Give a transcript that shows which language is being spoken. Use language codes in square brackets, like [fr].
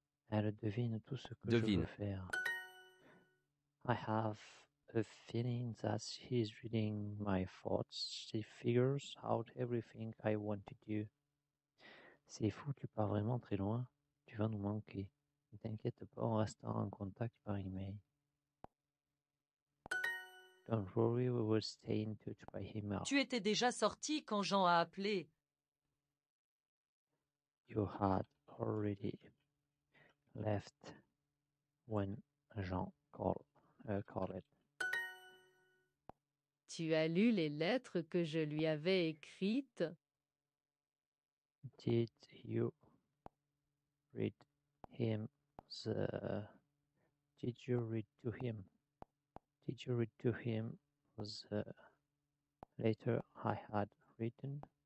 [fr] Elle devine tout ce que je veux faire. [en] I have a feeling that she's reading my thoughts. She figures out everything I want to do. [fr] C'est fou, tu pars vraiment très loin. Tu vas nous manquer. Ne t'inquiète pas, on restera en contact par email. [en] Don't worry, we will stay in touch by email. [fr] Tu étais déjà sorti quand Jean a appelé. [en] You had already left when Jean called. [fr] Tu as lu les lettres que je lui avais écrites? [en] Did you read him Did you read to him the letter I had written?